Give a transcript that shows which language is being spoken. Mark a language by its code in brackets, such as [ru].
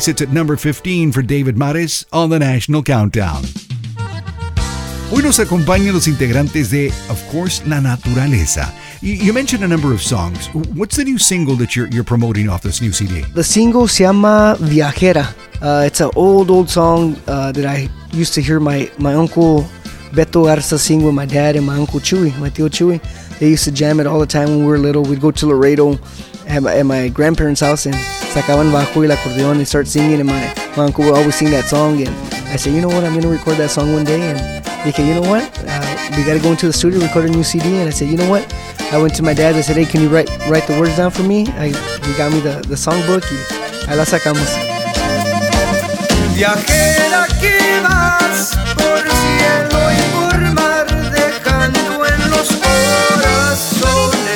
[en] Sits at number 15 for David Mares on the National Countdown. [es] Hoy nos acompañan los integrantes de, [en] of course, [es] La Naturaleza. [en] You mentioned a number of songs. What's the new single that you're promoting off this new CD? The single [es] se llama [en] Viajera. It's an old song that I used to hear my uncle Beto Garza sing with my dad and my uncle Chuy, my tío Chuy. They used to jam it all the time when we were little. We'd go to Laredo at my grandparents' house and [es] sacaban bajo y el acordeón [en] and start singing, and my uncle would always sing that song. And I said, you know what, I'm going to record that song one day. And he said, you know what, we got to go into the studio, record a new CD. And I said, you know what, I went to my dad, I said, hey, can you write the words down for me? He got me the songbook, [es] y ahí la sacamos. Viajera que vas por cielo y por mar, dejando en los corazones